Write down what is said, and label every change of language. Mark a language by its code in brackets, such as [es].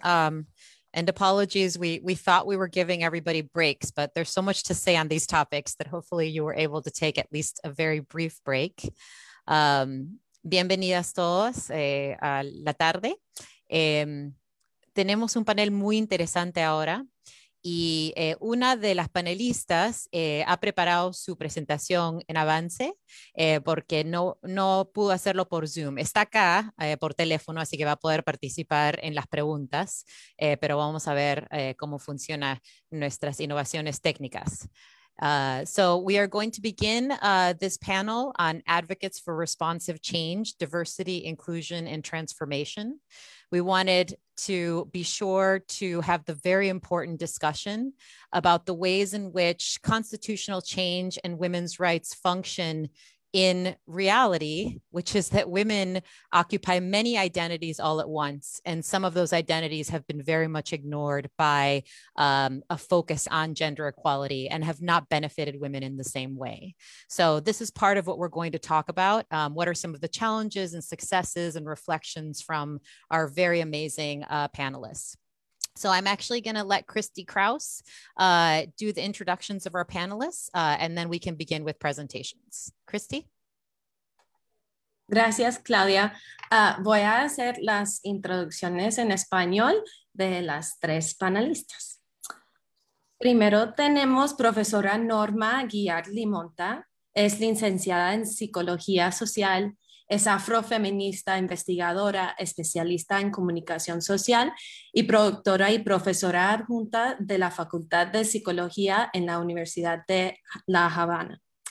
[en] And apologies, we thought we were giving everybody breaks, but there's so much to say on these topics that hopefully you were able to take at least a very brief break. [es] Bienvenidas todos a la tarde. Tenemos un panel muy interesante ahora y una de las panelistas ha preparado su presentación en avance porque no pudo hacerlo por Zoom. Está acá por teléfono, así que va a poder participar en las preguntas, pero vamos a ver cómo funcionan nuestras innovaciones técnicas. [en] So we are going to begin this panel on Advocates for Responsive Change, Diversity, Inclusion, and Transformation. We wanted to be sure to have the very important discussion about the ways in which constitutional change and women's rights function in reality, which is that women occupy many identities all at once, and some of those identities have been very much ignored by a focus on gender equality and have not benefited women in the same way. So this is part of what we're going to talk about. What are some of the challenges and successes and reflections from our very amazing panelists? So I'm actually going to let Christy Krause do the introductions of our panelists, and then we can begin with presentations. Christy. [es] Gracias, Claudia. Voy a hacer las introducciones en español de las tres panelistas. Primero tenemos profesora Norma Guiar Limonta. Es licenciada en psicología social. Es afrofeminista, investigadora, especialista en comunicación social y productora y profesora adjunta de la Facultad de Psicología en la Universidad de La Habana.